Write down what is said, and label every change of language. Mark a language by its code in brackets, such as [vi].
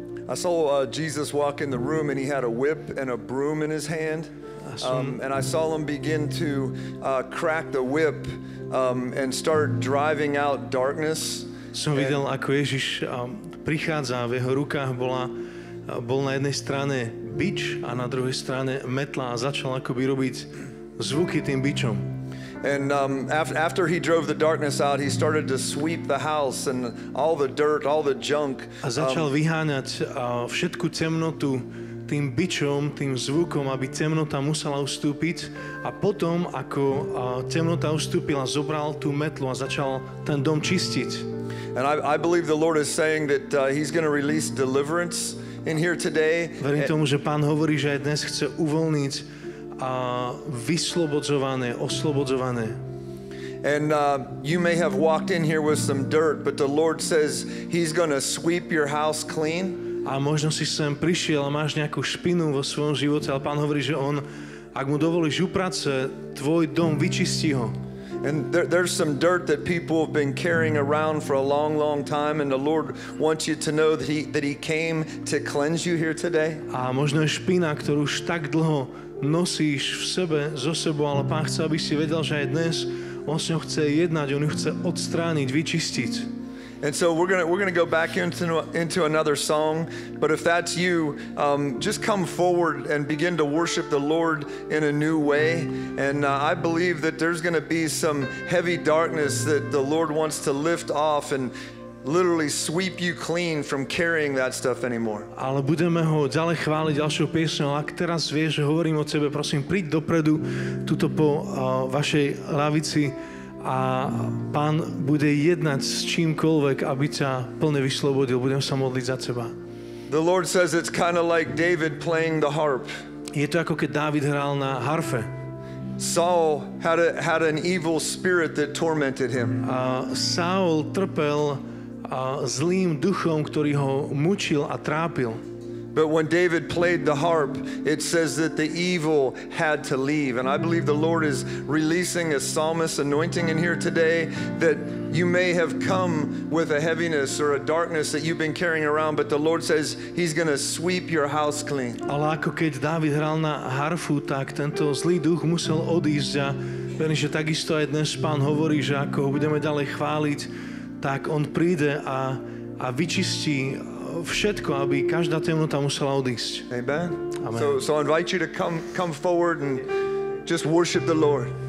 [en] I saw Jesus walk in the room and he had a whip and a broom in his hand. And I saw him begin to crack the whip and start driving out darkness. [sk] Som videl, ako Ježiš prichádza, v jeho rukách bol na jednej strane bič a na druhej strane metla a začal akoby robiť zvuky tým bičom. [en] And after he drove the darkness out, he started to sweep the house and all the dirt, all the junk. [sk] A začal vyháňať všetku temnotu tým bičom, tým zvukom, aby temnota musela ustúpiť. A potom, ako temnota ustúpila, zobral tú metlu a začal ten dom čistiť. [en] And I believe the Lord is saying that he's going to release deliverance in here today. [sk] Verím tomu, že Pán hovorí, že aj dnes chce uvoľniť a vyslobodzované, oslobodzované. [en] And you may have walked in here with some dirt, but the Lord says he's going to sweep your house clean. [sk] A možno si sem prišiel a máš nejakú špinu vo svojom živote, ale Pán hovorí, že on, ak mu dovolíš uprace, tvoj dom vyčistí ho. [en] And there's some dirt that people have been carrying around for a long, long time, and the Lord wants you to know that he came to cleanse you here today. [sk] A možno je špina, ktorú už tak dlho nosíš v sebe, zo sebou, ale Pán chce, aby si vedel, že aj dnes on s ňou chce jednať, on ju chce odstrániť, vyčistiť. [en] And so we're gonna go back into another song, but if that's you, just come forward and begin to worship the Lord in a new way. And I believe that there's gonna be some heavy darkness that the Lord wants to lift off and literally sweep you clean from carrying that stuff anymore. [sk] Ale budeme ho ďalej chváliť ďalšou piesňou. Ak teraz vieš, že hovorím o tebe, prosím, príď dopredu, tuto po vašej lavici a Pán bude jednať s čímkoľvek, aby ťa plne vyslobodil. Budem sa modliť za teba. [en] The Lord says it's kind of like David playing the harp. [sk] Je to ako keď Dávid hral na harfe. [en] Saul had an evil spirit that tormented him. [sk] A Saul trpel zlým duchom, ktorý ho mučil a trápil. [en] But when David played the harp, it says that the evil had to leave. And I believe the Lord is releasing a psalmist anointing in here today that you may have come with a heaviness or a darkness that you've been carrying around, but the Lord says he's going to sweep your house clean. [sk] Ale ako keď David hral na harfu, tak tento zlý duch musel odísť. A verím, že takisto aj dnes Pán hovorí, že ako ho budeme ďalej chváliť, tak on príde a vyčistí všetko, aby každá temnota musela odísť. Amen. Amen. [en] So I invite you to come forward and just worship the Lord.